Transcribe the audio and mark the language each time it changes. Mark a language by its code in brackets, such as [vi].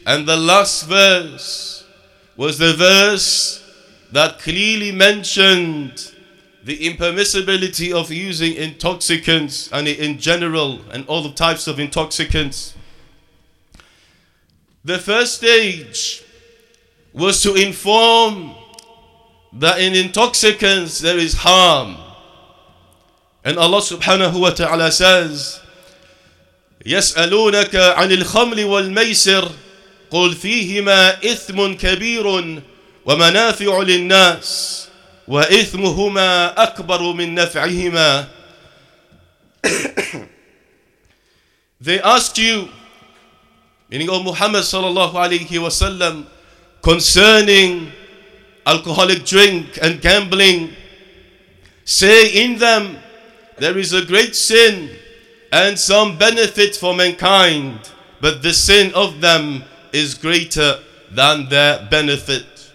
[en] And the last verse was the verse that clearly mentioned the impermissibility of using intoxicants in general, and all the types of intoxicants. The first stage was to inform that in intoxicants there is harm. And Allah subhanahu wa ta'ala says, [ar] يسألونك عن الخمر والميسر قل فيهما إثم كبير ومنافع للناس وإثمهما أكبر من نفعهما. [en] They asked you, meaning of Muhammad sallallahu alayhi wa sallam, concerning alcoholic drink and gambling. Say, in them there is a great sin and some benefit for mankind, but the sin of them is greater than their benefit.